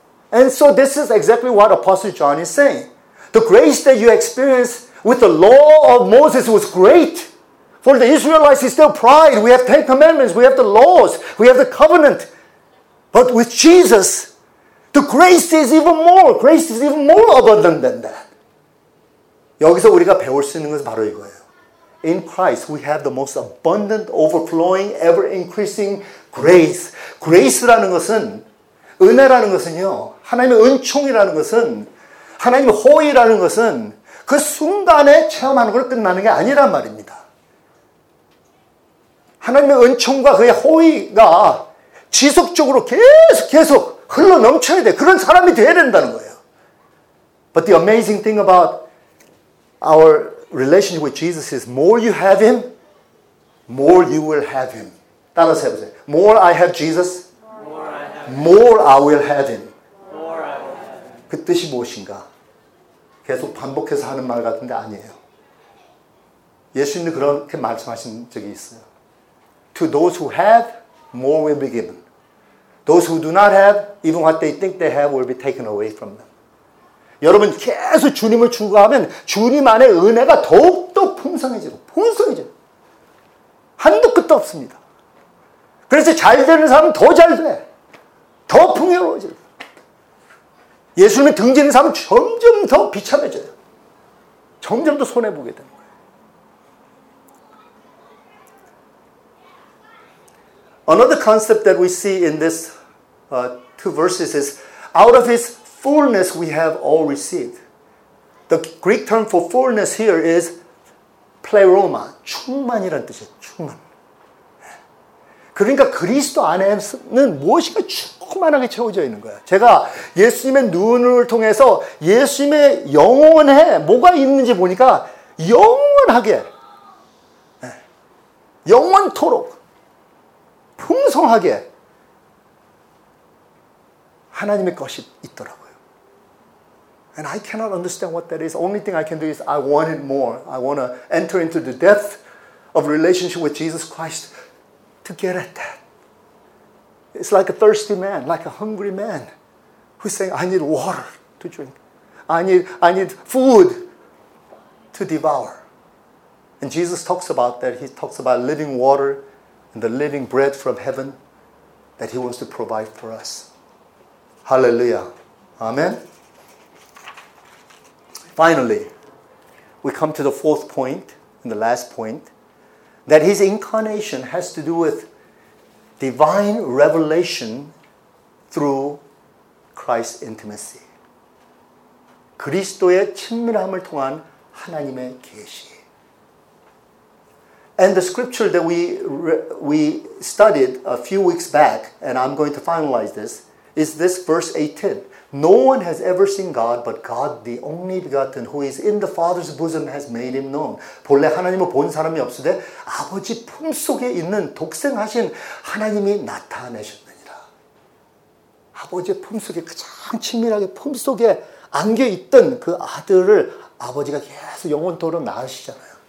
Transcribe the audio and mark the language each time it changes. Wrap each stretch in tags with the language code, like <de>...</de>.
<en>And so this is exactly what Apostle John is saying. The grace that you experienced with the law of Moses was great. For the Israelites, it's still pride. We have Ten Commandments. We have the laws. We have the covenant. But with Jesus, the grace is even more. Grace is even more abundant than that.</en> <ko>여기서 우리가 배울 수 있는 것은 바로 이거예요.</ko> <en>In Christ, we have the most abundant, overflowing, ever-increasing grace.</en> <ko>Grace라는 것은, 은혜라는 것은요, 하나님의 은총이라는 것은, 하나님의 호의라는 것은 그 순간에 체험하는 걸 끝나는 게 아니란 말입니다. 하나님의 은총과 그의 호의가 지속적으로 계속 흘러 넘쳐야 돼. 그런 사람이 돼야 된다는 거예요.</ko> <en>But the amazing thing about our relationship with Jesus is more you have Him, more you will have Him.</en> <ko>따라서 해보세요.</ko> <en>More I have Jesus, more I will have Him.</en> <ko>그 뜻이 무엇인가? 계속 반복해서 하는 말 같은데 아니에요. 예수님이 그렇게 말씀하신 적이 있어요.</ko> <en>To those who have, more will be given. Those who do not have, even what they think they have will be taken away from them.</en> <ko>여러분 계속 주님을 추구하면 주님 안에 은혜가 더욱더 풍성해져요. 한도 끝도 없습니다. 그래서 잘 되는 사람은 더 잘 돼. 더 풍요로워져요. 예수님의 등지는 삶은 점점 더 비참해져요. 점점 더 손해보게 되는 거예요.</ko> <en>Another concept that we see in this two verses is out of His fullness we have all received. The Greek term for fullness here is pleroma,</en> <ko>충만이라는 뜻이에요. 충만. 그러니까 그리스도 안에는 무엇인가 충만하게 채워져 있는 거야. 제가 예수님의 눈을 통해서 예수님의 영혼에 뭐가 있는지 보니까 영원하게, 영원토록 풍성하게 하나님의 것이 있더라고요.</ko> <en>And I cannot understand what that is. Only thing I can do is I want it more. I want to enter into the depth of relationship with Jesus Christ. To get at that. It's like a thirsty man, like a hungry man who's saying, I need water to drink. I need food to devour. And Jesus talks about that. He talks about living water and the living bread from heaven that He wants to provide for us. Hallelujah. Amen. Finally, we come to the fourth point and the last point. That His incarnation has to do with divine revelation through Christ's intimacy.</en> <ko>그리스도의 친밀함을 통한 하나님의 계시.</ko> <en>And the scripture that we studied a few weeks back, and I'm going to finalize this, is this verse 18. No one has ever seen God, but God, the only begotten, who is in the Father's bosom, has made Him known.</en> <ko>본래 하나님을 본 사람이 없으되 아버지 품속에 있는 독생하신 하나님이 나타내셨느니라. 아버지 품속에 가장 친밀하게 품속에 안겨있던 그 아들을 아버지가 계속 영원토록 낳으시잖아요.</ko>